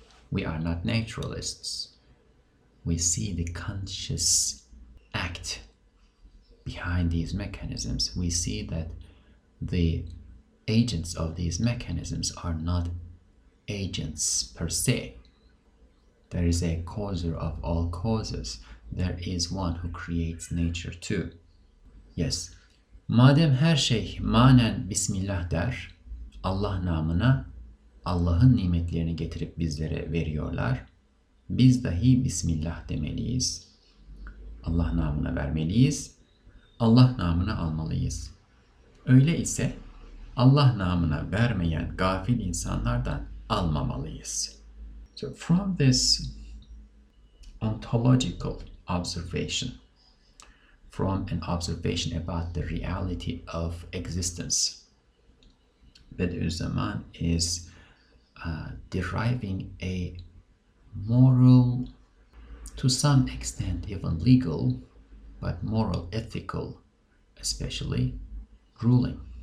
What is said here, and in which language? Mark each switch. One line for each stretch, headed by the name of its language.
English: We are not naturalists. We see the conscious act behind these mechanisms. We see that the agents of these mechanisms are not agents per se. There is a causer of all causes. There is one who creates nature too. Yes.
Turkish: Madem her şey manen bismillah der, Allah namına Allah'ın nimetlerini getirip bizlere veriyorlar, biz dahi bismillah demeliyiz. Allah namına vermeliyiz. Allah namına almalıyız. Öyle ise Allah namına vermeyen gafil insanlardan almamalıyız.
English: So from this ontological observation, from an observation about the reality of existence, Bediüzzaman is deriving a moral, to some extent even legal, but moral ethical, especially, ruling.